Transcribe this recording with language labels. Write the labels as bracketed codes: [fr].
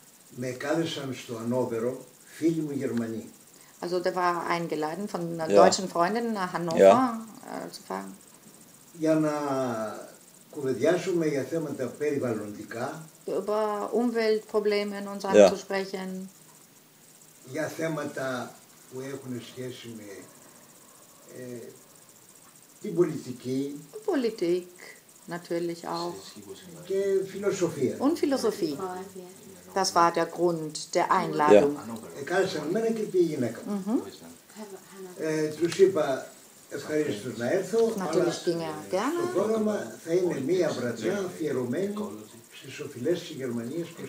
[el] με κάλεσαν στο Ανόβερο φίλοι μου Γερμανοί. [de] Also, der war eingeladen von deutschen Freunden nach Hannover zu fahren. [el] Για να κουβεντιάσουμε για θέματα περιβαλλοντικά. [de] Über Umweltprobleme und so zu sprechen. [el] Για θέματα που έχουν σχέση με [de] die Politik. Politik, natürlich auch. Philosophie. Und Philosophie. Das war der Grund der Einladung. Ja. Mhm. Ich habe Natürlich ging er gerne.